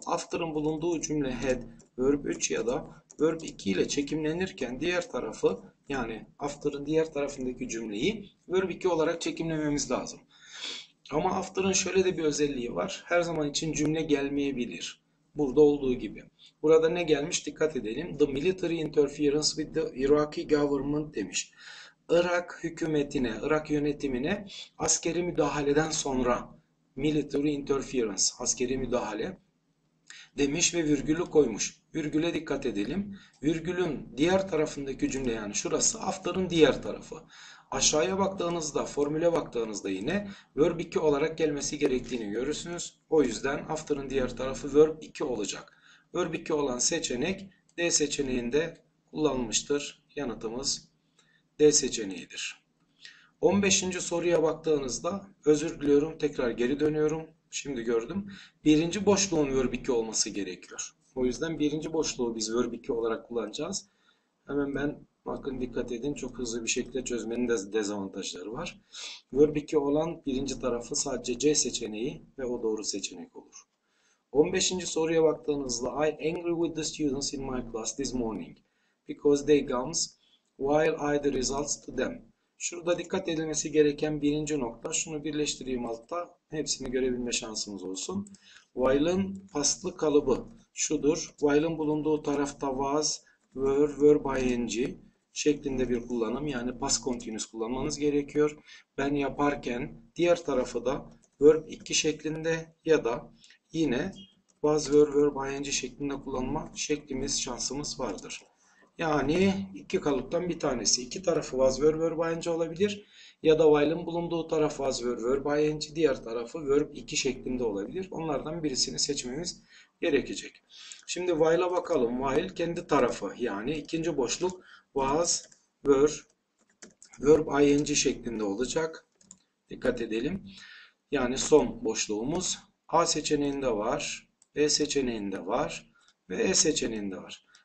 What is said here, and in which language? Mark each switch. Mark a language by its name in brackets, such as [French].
[Turkish] After'ın bulunduğu cümle had, verb 3 ya da verb 2 ile çekimlenirken diğer tarafı yani after'ın diğer tarafındaki cümleyi verb 2 olarak çekimlememiz lazım. Ama after'ın şöyle de bir özelliği var. Her zaman için cümle gelmeyebilir. Burada olduğu gibi. Burada ne gelmiş dikkat edelim. [English] The military interference with the Iraqi government demiş. [Turkish] Irak hükümetine, Irak yönetimine askeri müdahaleden sonra [English] military interference, [Turkish] askeri müdahale demiş ve virgülü koymuş. Virgüle dikkat edelim. Virgülün diğer tarafındaki cümle yani şurası after'ın diğer tarafı. Aşağıya baktığınızda, formüle baktığınızda yine verb 2 olarak gelmesi gerektiğini görürsünüz. O yüzden after'ın diğer tarafı verb 2 olacak. Verb 2 olan seçenek D seçeneğinde kullanılmıştır. Yanıtımız D seçeneğidir. 15. soruya baktığınızda özür diliyorum tekrar geri dönüyorum. Şimdi gördüm. Birinci boşluğun verb 2 olması gerekiyor. O yüzden birinci boşluğu biz verb 2 olarak kullanacağız. Hemen ben bakın dikkat edin çok hızlı bir şekilde çözmenin de dezavantajları var. Verb 2 olan birinci tarafı sadece C seçeneği ve o doğru seçenek olur. 15. soruya baktığınızda [English] I angry with the students in my class this morning because they gums while I the results to them. [Turkish] Şurada dikkat edilmesi gereken birinci nokta, şunu birleştireyim altta, hepsini görebilme şansımız olsun. While'ın faslı kalıbı şudur. While'ın bulunduğu tarafta was, were, were by ing şeklinde bir kullanım. Yani past continuous kullanmanız gerekiyor. Ben yaparken diğer tarafı da verb 2 şeklinde ya da yine was, were, were by ing şeklinde kullanma şeklimiz, şansımız vardır. Yani iki kalıptan bir tanesi. İki tarafı was, were, were by ing olabilir. Ya da while'ın bulunduğu taraf was, were, were by ing. Diğer tarafı verb 2 şeklinde olabilir. Onlardan birisini seçmemiz gerekecek. Şimdi while'a bakalım. While kendi tarafı, yani ikinci boşluk was, were, verb ing şeklinde olacak. Dikkat edelim. Yani son boşluğumuz A seçeneğinde var, B seçeneğinde var ve E seçeneğinde var.